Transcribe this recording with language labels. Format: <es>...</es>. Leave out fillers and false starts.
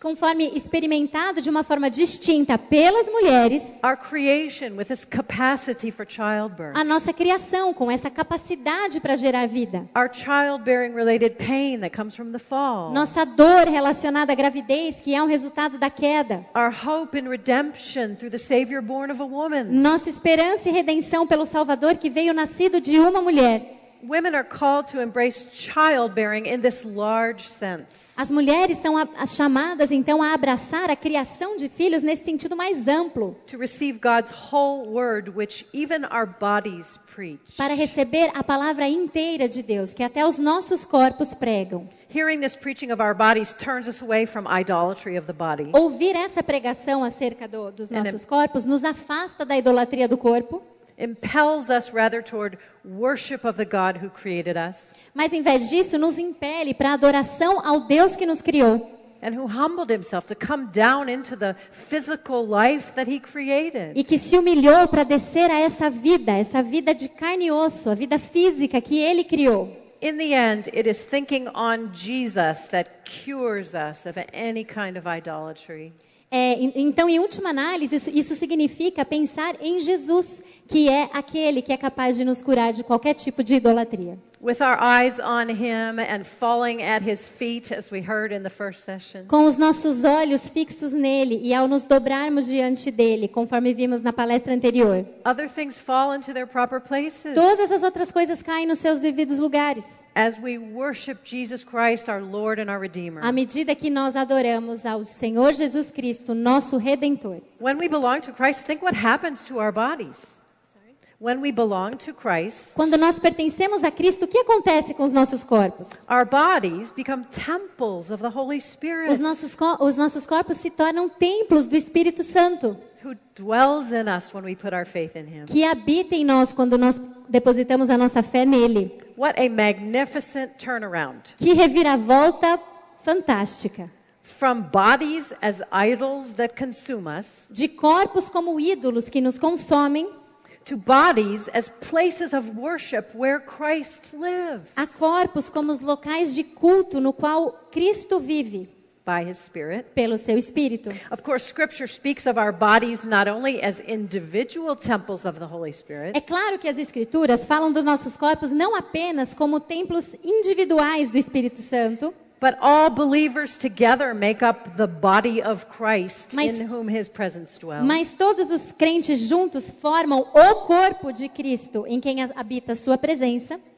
<pt>Conforme experimentado de uma forma distinta pelas mulheres.</pt> <en>Our creation with this capacity for childbirth.</en> <pt>A nossa criação com essa capacidade para gerar vida.</pt> <en>Our childbearing related pain that comes from the fall.</en> <pt>Nossa dor relacionada à gravidez que é um resultado da queda.</pt> <en>Our hope in redemption through the savior born of a woman.</en> <pt>Nossa esperança e redenção pelo Salvador que veio nascido de uma mulher.</pt> <en>Women are called to embrace childbearing in this large sense.</en> <pt>As mulheres são chamadas então a abraçar a criação de filhos nesse sentido mais amplo.</pt> <en>To receive God's whole word, which even our bodies preach.</en> <pt>Para receber a palavra inteira de Deus, que até os nossos corpos pregam.</pt> <en>Hearing this preaching of our bodies turns us away from idolatry of the body.</en> <pt>Ouvir essa pregação acerca dos nossos corpos nos afasta da idolatria do corpo.</pt> <en>Impels us rather toward worship of the God who created us.</en> <pt>Mas em vez disso, nos impele para adoração ao Deus que nos criou.</pt> <en>And who humbled himself to come down into the physical life that he created.</en> <pt>E que se humilhou para descer a essa vida de carne e osso, a vida física que ele criou.</pt> <en>In the end, it is thinking on Jesus that cures us of any kind of idolatry.</en> <pt>Então, em última análise, isso significa pensar em Jesus, que é aquele que é capaz de nos curar de qualquer tipo de idolatria.</pt> <en>With our eyes on him and falling at his feet, as we heard in the first session.</en> <pt>Com os nossos olhos fixos nele e ao nos dobrarmos diante dele, conforme vimos na palestra anterior.</pt> <en>Other things fall into their proper places.</en> <pt>Todas as outras coisas caem nos seus devidos lugares.</pt> <en>As we worship Jesus Christ, our Lord and our Redeemer.</en> <pt>À medida que nós adoramos ao Senhor Jesus Cristo, nosso Redentor.</pt> <en>When we belong to Christ, think what happens to our bodies. When we belong to Christ,</en> <pt>quando nós pertencemos a Cristo, o que acontece com os nossos corpos?</pt> <en>Our bodies become temples of the Holy Spirit.</en> <pt>Os nossos corpos se tornam templos do Espírito Santo.</pt> <en>Who dwells in us when we put our faith in him.</en> <pt>Que habita em nós quando nós depositamos a nossa fé nele.</pt> <en>What a magnificent turnaround.</en> <pt>Que reviravolta fantástica.</pt> <en>From bodies as idols that consume us.</en> <pt>De corpos como ídolos que nos consomem.</pt> <en>To bodies as places of worship where Christ lives.</en> <pt>A corpos como os locais de culto no qual Cristo vive.</pt> <en>By his spirit.</en> <pt>Pelo seu espírito.</pt> <en>Of course, scripture speaks of our bodies not only as individual temples of the Holy Spirit.</en> <pt>É claro que as escrituras falam dos nossos corpos não apenas como templos individuais do Espírito Santo.</pt> <en>But all believers together make up the body of Christ in whom his presence dwells.</en> <pt>Mas todos os crentes juntos formam o corpo de Cristo em quem habita a sua presença.</pt>